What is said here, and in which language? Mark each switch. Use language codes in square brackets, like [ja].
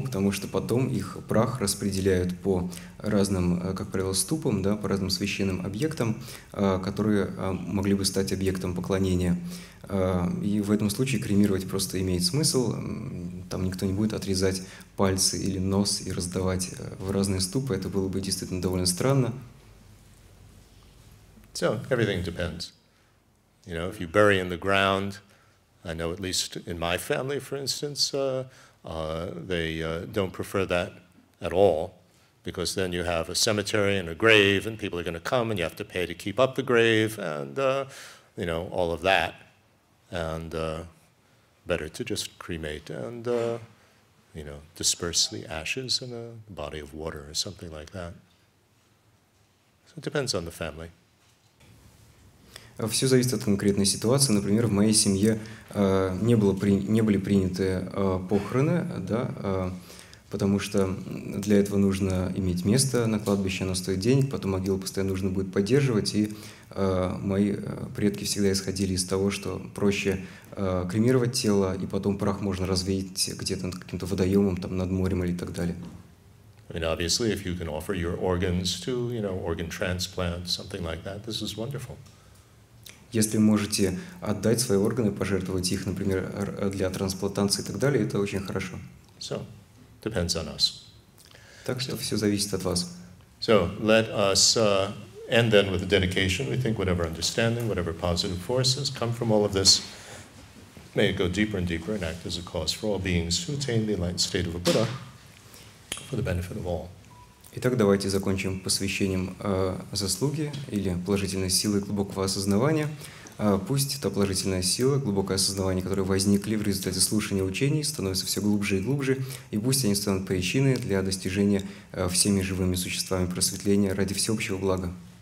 [ru] Потому что потом их прах распределяют по разным, как правило, ступам, да, по разным священным объектам, которые могли бы стать объектом поклонения. И в этом случае кремировать просто имеет смысл. Там никто не будет отрезать пальцы или нос и раздавать в разные ступы. Это было бы действительно довольно странно. [en] So, everything depends. You know, if you bury in the ground, I know at least in my family, for instance, they don't prefer that at all, because then you have a cemetery and a grave, and people are going to come, and you have to pay to keep up the grave, and, you know, all of that. And better to just cremate and, you know, disperse the ashes in a body of water or something like that. So it depends on the family. [ru] Все зависит от конкретной ситуации. Например, в моей семье не были приняты похороны, да, потому что для этого нужно иметь место на кладбище, оно стоит денег, потом могилу постоянно нужно будет поддерживать, и мои предки всегда исходили из того, что проще кремировать тело, и потом прах можно развеять где-то над каким-то водоемом, там, над морем или так далее. [en] I mean, obviously, if you can offer your organs to, you know, organ transplant, something like that, this is wonderful. [ru] Если можете отдать свои органы, пожертвовать их, например, для трансплантации и так далее, это очень хорошо. [en] So, depends on us. [ru] Так что все зависит от вас. [en] So, let us end then with a dedication. We think whatever understanding, whatever positive forces come from all of this, may it go deeper and deeper and act as a cause for all beings to attain the enlightened state of a Buddha for the benefit of all. [ru] Итак, давайте закончим посвящением заслуги или положительной силы глубокого осознавания. Пусть эта положительная сила, глубокое осознавание, которое возникли в результате слушания учений, становится все глубже и глубже, и пусть они станут причиной для достижения всеми живыми существами просветления ради всеобщего блага.